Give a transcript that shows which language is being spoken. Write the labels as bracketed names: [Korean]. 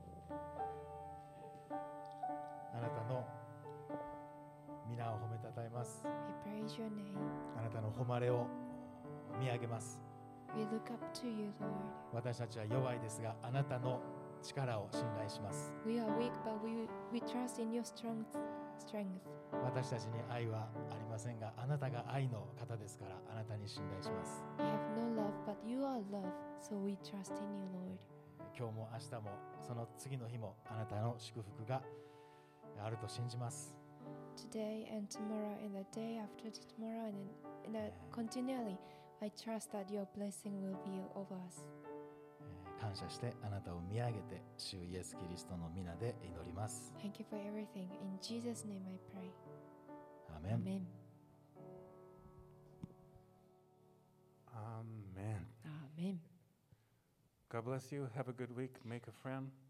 [Japanese] あなた [English] praise your name. [Japanese] あなたの誉れを見上げます。 [English] We look up to you, Lord. [Japanese] 私たちは弱いですが、あなたの力を信頼します。 [English] We are weak, but we trust in your strength. [Japanese] 私たちに愛はありませんが、あなたが愛の方ですから、あなたに信頼します。 [English] We have no love, but you are love, so we trust in you, Lord. [Japanese] 今日も明日もその次の日もあなたの祝福があると信じます。 [English] Today and tomorrow and the day after tomorrow and continually, I trust that your blessing will be over us. [Japanese] 感謝してあなたを見上げて主イエスキリストの御名で祈ります。 [English] Thank you for everything. In Jesus' name I pray. Amen. Amen. Amen. Amen. God bless you. Have a good week. Make a friend.